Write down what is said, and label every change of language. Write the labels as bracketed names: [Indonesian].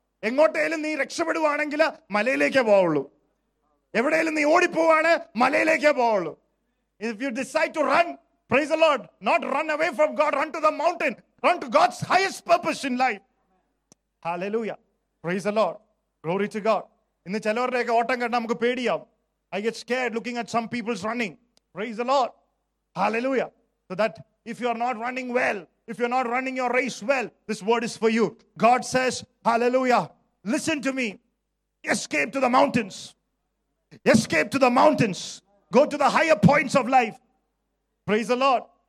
[Malayalam] എങ്ങോട്ടേലും നീ രക്ഷപ്പെടുവാണെങ്കിൽ മലയിലേക്കേ പോവുള്ളൂ. എവിടെയെങ്കിലും നീ ഓടിപ്പോവാണ് മലയിലേക്കേ പോവുള്ളൂ. [English] If you decide to run, praise the Lord, not run away from God, run to the mountain, run to God's highest purpose in life. Hallelujah. Praise the Lord. Glory to God. [Malayalam] ഇന്ന് ചിലവരുടെയൊക്കെ ഓട്ടം കണ്ട് നമുക്ക് പേടിയാവും. [English] I get scared looking at some people's running. Praise the Lord. Hallelujah. So that if you are not running well, if you're not running your race well, this word is for you. God says, hallelujah, listen to me. Escape to the mountains. Escape to the mountains. Go to the higher points of life. Praise the Lord.